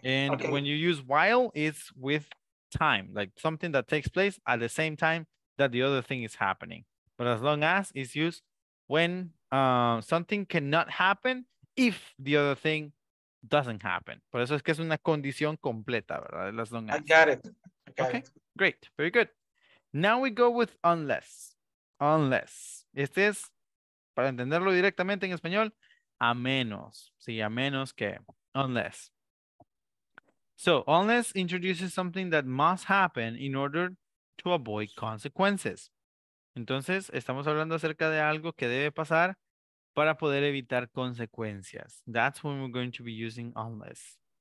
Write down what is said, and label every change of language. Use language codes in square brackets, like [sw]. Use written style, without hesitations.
[en] And okay. When you use while, it's with time, like something that takes place at the same time that the other thing is happening. But as long as it's used when something cannot happen if the other thing doesn't happen. [es] Por eso es que es una condición completa, ¿verdad? [en] As long as. I got it. Okay, great. Very good. Now we go with unless. Unless. [es] Este es, para entenderlo directamente en español, a menos. Sí, a menos que [en] unless. So, unless introduces something that must happen in order to avoid consequences. [es] Entonces, estamos hablando acerca de algo que debe pasar para poder evitar consecuencias. [en] That's when we're going to be using unless.